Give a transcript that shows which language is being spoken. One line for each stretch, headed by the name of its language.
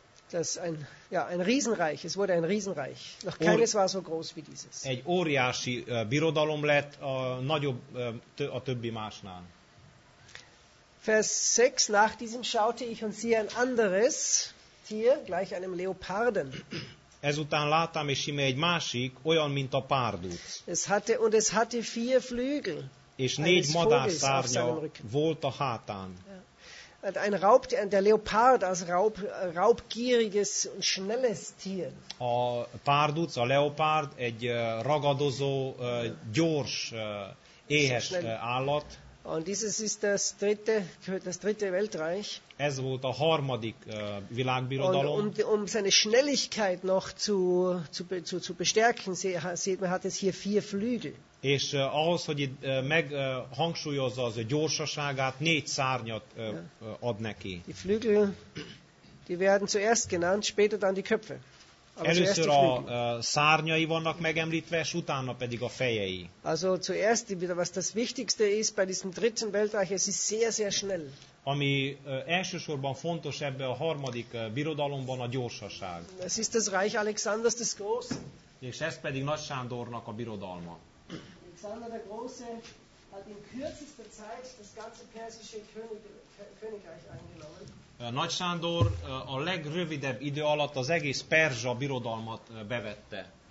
German: Das ein, ja, ein Riesenreich, es wurde ein Riesenreich. Noch keines war so groß wie dieses.
Hungarian: Egy óriási birodalom lett a nagyobb a többi másnál.
German: Vers 6, nach diesem schaute ich und siehe ein anderes Tier, gleich einem Leoparden.
Hungarian: Ezután láttam, és íme egy másik, olyan, mint a párduc.
German: Es hatte vier Flügel.
Hungarian: És négy madárszárnya volt a hátán.
German: Ja. Ein Raubtier, der Leopard, az raubgieriges und schnelles Tier.
Hungarian: A párduc, a leopard, egy ragadozó, gyors, éhes állat.
German: Und dieses ist das dritte Weltreich.
Hungarian: Ez volt a harmadik világbirodalom.
German: Und um seine Schnelligkeit noch zu bestärken, sieht man, hat es hier vier Flügel.
Hungarian: És ahhoz, hogy itt meghangsúlyozza az a gyorsaságát, négy szárnyat ad neki.
German: Die Flügel, die werden zuerst genannt, später dann die Köpfe.
Hungarian: Először a szárnyai vannak megemlítve, és utána pedig a fejei.
German: Also zuerst wieder was das wichtigste ist bei diesem dritten Weltreich, es ist sehr sehr schnell.
Hungarian: Ami elsősorban fontos ebbe a harmadik birodalomban a gyorsaság.
German: Es ist das Reich Alexanders des Großen.
Hungarian: És ez pedig Nagy Sándornak a birodalma.
German: Alexander der Große hat in kürzester Zeit das ganze persische Königreich eingenommen.
Hungarian: Nagy Sándor a legrövidebb idő alatt az egész perzsa birodalmat bevette.